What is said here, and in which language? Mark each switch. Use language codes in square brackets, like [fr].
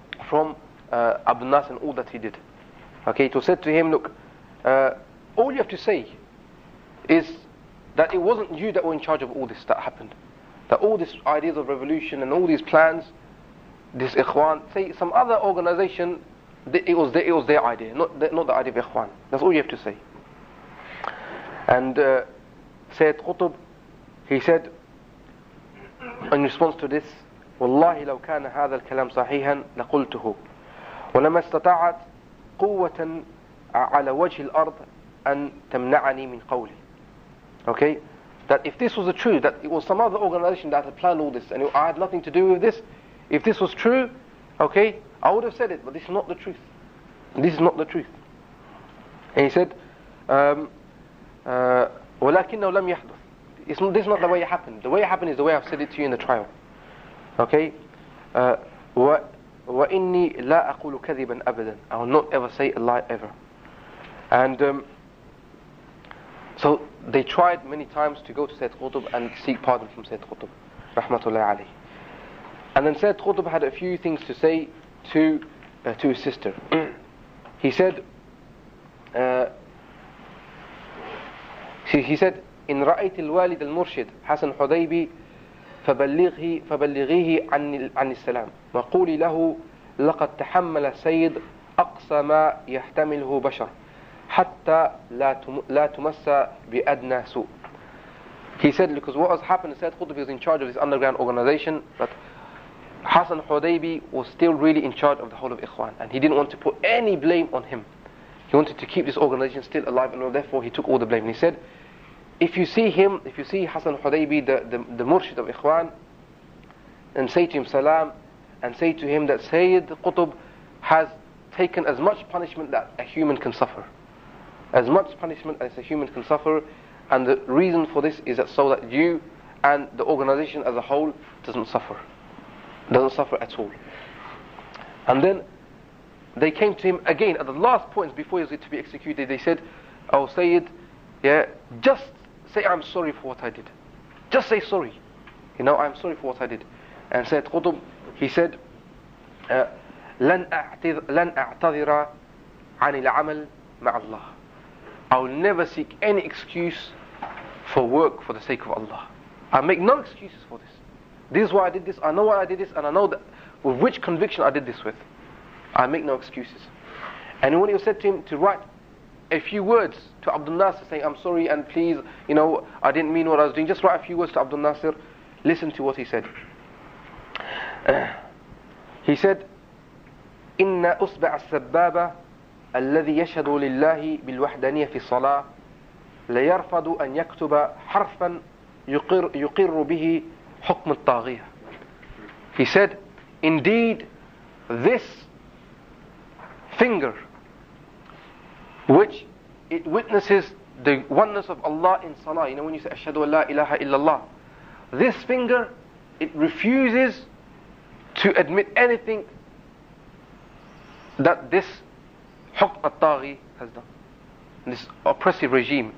[en] From Abdul Nasr and all that he did. Okay, it was said to him, "Look, all you have to say is that it wasn't you that were in charge of all this that happened. That all these ideas of revolution and all these plans, this Ikhwan, say some other organization, it was their idea, not the idea of Ikhwan. That's all you have to say. And Sayyid Qutb, he said, in response to this, [ar] وَاللَّهِ لَوْ كَانَ هَذَا الْكَلَامُ صَحِيحًا لَقُلْتُهُ وَلَمَا اسْتَطَعَتْ قُوَّةً عَلَى وَجْهِ الْأَرْضِ أَنْ تَمْنَعَنِي مِنْ قَوْلِ. [en] Okay? That if this was the truth, that it was some other organization that had planned all this, and I had nothing to do with this, if this was true, okay, I would have said it, but this is not the truth. This is not the truth. And he said, [ar] وَلَكِنَّهُ لَمْ يَحْدُثُ. [en] This is not the way it happened. The way it happened is the way I've said it to you in the trial. Okay? [ar] وَإِنِّي لَا أَقُولُ كَذِبًا أَبَدًا. [en] I will not ever say a lie ever. And so they tried many times to go to Sayyid Qutb and seek pardon from Sayyid Qutb, rahmatullahi alayhi. And then Sayyid Qutb had a few things to say to his sister. He said, he said, [ar] إن رأيت الوالد المرشد حسن حذيبي فبلغيه عن السلام وقولي له لقد تحمل سيد أقصى ما يحتمله بشر حتى لا تمس بأدنى سوء. [en] He said, because what has happened, Sayyid Qutb is in charge of this underground organization, but Hassan Hudaybi was still really in charge of the whole of Ikhwan, and he didn't want to put any blame on him. He wanted to keep this organization still alive, and therefore he took all the blame. And he said, if you see Hassan Hudaybi, the murshid of Ikhwan, and say to him salam, and say to him that Sayyid Qutb has taken as much punishment that a human can suffer, as much punishment as a human can suffer, and the reason for this is that so that you and the organization as a whole doesn't suffer at all. And then they came to him again at the last point before he was to be executed. They said, oh Sayyid, yeah, just say I'm sorry for what I did, just say sorry, you know, I'm sorry for what I did. And Sayyid Qutb, he said, [ar] لن أعتذر عن العمل مع الله. [en] I will never seek any excuse for work for the sake of Allah. I make no excuses for this. This is why I did this, I know why I did this, and I know that with which conviction I did this with. I make no excuses. And when he said to him to write a few words to Abdul Nasir saying, I'm sorry and please, you know, I didn't mean what I was doing, just write a few words to Abdul Nasir, listen to what he said. He said, [ar] Inna usba' al-sababa الذي يشهد لله بالوحدانية في الصلاة ليرفض أن يكتب حرفا يقر به حكم الطاغية. [en] He said, indeed, this finger which it witnesses the oneness of Allah in salah, you know, when you say [ar] أشهد أن لا إله إلا الله, [en] this finger, it refuses to admit anything that this [ar] حكم الطاغي [en] has done, this oppressive regime.